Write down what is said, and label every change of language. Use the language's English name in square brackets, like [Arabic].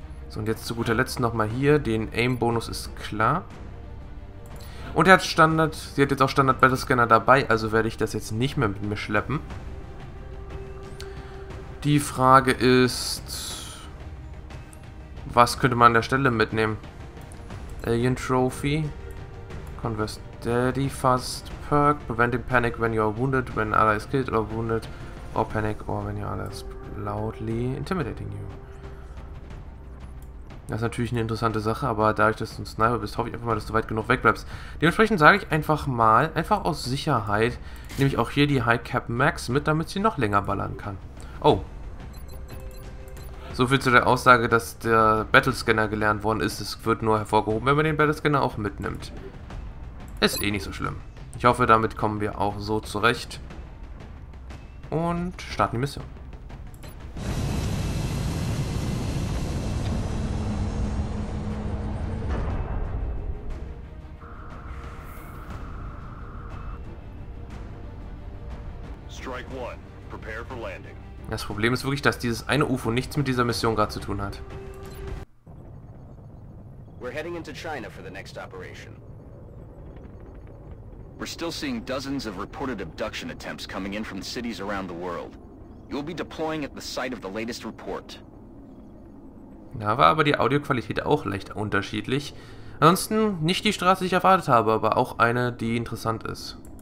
[German] So, und jetzt zu guter Letzt nochmal hier. Den Aim-Bonus ist klar. Und er hat Standard. Sie hat jetzt auch Standard Battle Scanner dabei, also werde ich das jetzt nicht mehr mit mir schleppen. Die Frage ist, was könnte man an der Stelle mitnehmen? [English] Alien Trophy. Converse Daddy Fast Perk. Preventing Panic when you are wounded, when Ally is killed or wounded. Or Panic or when your Ally is loudly intimidating you. [German] Das ist natürlich eine interessante Sache, aber dadurch, dass du ein Sniper bist, hoffe ich einfach mal, dass du weit genug wegbleibst. Dementsprechend sage ich einfach mal, einfach aus Sicherheit, nehme ich auch hier die High Cap Max mit, damit sie noch länger ballern kann. Oh. So viel zu der Aussage, dass der Battlescanner gelernt worden ist. Es wird nur hervorgehoben, wenn man den Battlescanner auch mitnimmt. Ist eh nicht so schlimm. Ich hoffe, damit kommen wir auch so zurecht. Und starten die Mission. [English] Strike 1. Prepare for landing. [German] Das Problem ist wirklich, dass dieses eine UFO nichts mit dieser Mission gerade zu tun hat. [English] We're heading into China for the next operation. We're still seeing dozens of reported abduction attempts coming in from cities around the world. You'll be deploying at the site of the latest report. [German] Da war aber die Audioqualität auch leicht unterschiedlich. Ansonsten nicht die Straße, die ich erwartet habe, aber auch eine, die interessant ist.